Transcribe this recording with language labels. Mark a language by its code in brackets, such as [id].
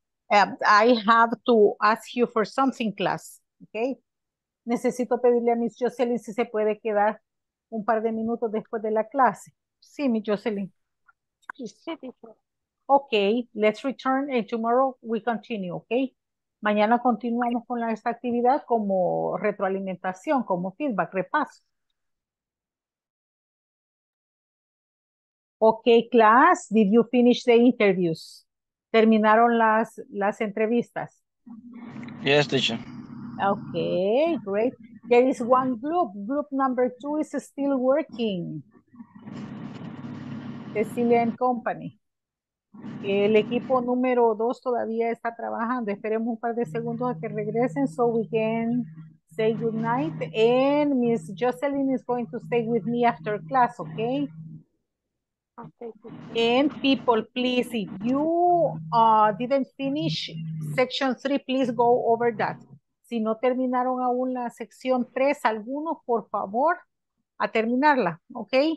[en] I have to ask you for something, class. Ok. [es] Necesito pedirle a Miss Jocelyn si se puede quedar un par de minutos después de la clase. Sí, Miss Jocelyn. [en] Ok, let's return and tomorrow we continue, ok. [es] Mañana continuamos con esta actividad como retroalimentación, como feedback, repaso. [en] Ok, class, did you finish the interviews? [es] ¿Terminaron las entrevistas? [en] Yes, teacher. Ok, great. There is one group. Group number two is still working. [es] Cecilia and Company. El equipo número dos todavía está trabajando. Esperemos un par de segundos a que regresen [en] so we can say good night. And Miss Jocelyn is going to stay with me after class, okay? And people, please, if you didn't finish section 3, please go over that. [es] Si no terminaron aún la sección 3, algunos, por favor, a terminarla, ¿ok?